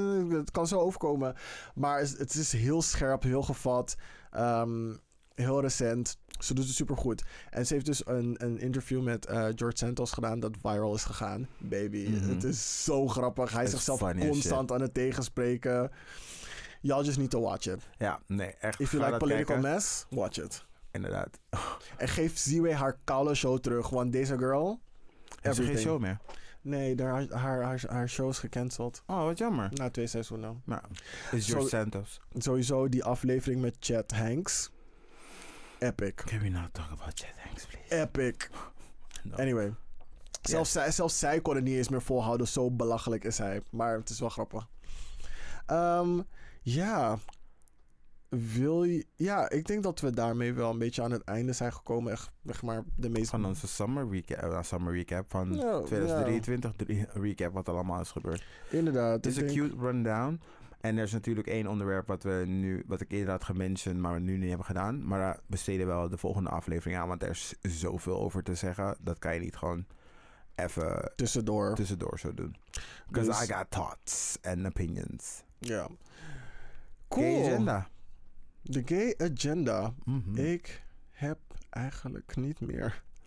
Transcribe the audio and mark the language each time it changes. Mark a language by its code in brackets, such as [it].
[nl] Het kan zo overkomen. Maar het is heel scherp, heel gevat, heel recent. Ze doet het supergoed. En ze heeft dus een interview met George Santos gedaan dat viral is gegaan. Baby, het is zo grappig. Hij is zichzelf constant aan het tegenspreken. [en] Y'all just need to watch it. [nl] Ja, nee, echt. [en] If you like political mess, watch it. [nl] Inderdaad. En geef Z-Way haar koude show terug, want deze girl... Heeft ze geen show meer? Nee, daar haar show is gecanceld. Oh, wat jammer. Na 2 seizoenen. Nou, is your Santos. Sowieso die aflevering met Chad Hanks. [en] Epic. Can we not talk about Chad Hanks, please? Epic. No. Anyway. Zelfs, yes. [nl] Zelfs zij kon het niet eens meer volhouden. Zo belachelijk is hij. Maar het is wel grappig. Ja. Wil je... Ja, ik denk dat we daarmee wel een beetje aan het einde zijn gekomen. Echt, zeg maar, de meeste... Van onze summer recap van 2023 recap. Wat er allemaal is gebeurd. Inderdaad. Het is een cute rundown. En er is natuurlijk één onderwerp wat ik eerder had gementioned, maar we nu niet hebben gedaan. Maar daar besteden we wel de volgende aflevering aan. Want er is zoveel over te zeggen. Dat kan je niet gewoon... Even tussendoor zo doen. [en] Because dus, I got thoughts and opinions. Ja. Yeah. Cool. Gay agenda. [nl] De gay agenda. Mm-hmm. Ik heb eigenlijk niet meer.